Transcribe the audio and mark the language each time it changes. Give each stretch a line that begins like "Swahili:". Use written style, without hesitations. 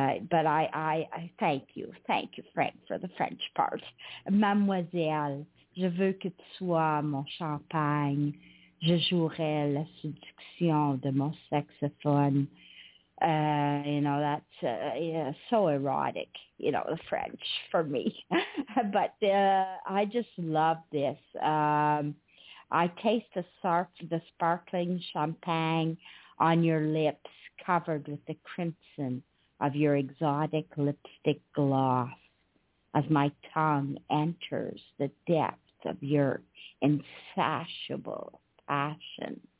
English: But I thank you, Frank, for the French part.
French: Mademoiselle, je veux que tu sois mon champagne. Je jouerai la séduction de mon saxophone.
English: You know, that's so erotic, you know, the French for me. But I just love this. I taste the sparkling champagne on your lips, covered with the crimson of your exotic lipstick gloss, as my tongue enters the depth of your insatiable passion.